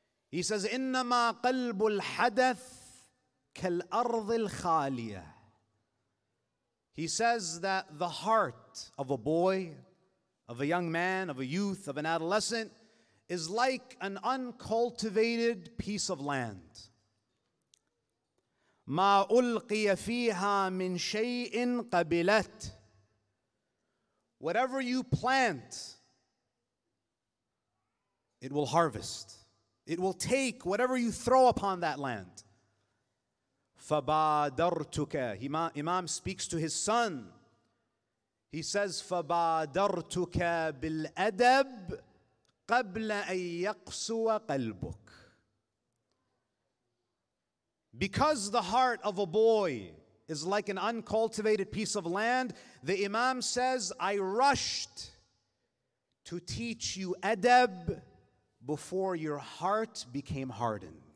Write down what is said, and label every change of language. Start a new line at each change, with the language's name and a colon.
English: He says,
Arabic: إِنَّمَا قَلْبُ الْحَدَثِ كالأرض الخالية.
English: He says that the heart of a boy, of a young man, of a youth, of an adolescent, is like an uncultivated piece of land.
Arabic: ما ألقي فيها من شيء قبلت.
English: Whatever you plant, it will harvest. It will take whatever you throw upon that land.
Arabic: فَبَادَرْتُكَ.
English: Imam speaks to his son. He says,
Arabic: فَبَادَرْتُكَ بِالْأَدَبْ قَبْلَ أَن يَقْسُوَ قَلْبُكَ.
English: Because the heart of a boy is like an uncultivated piece of land, the Imam says, I rushed to teach you adab before your heart became hardened.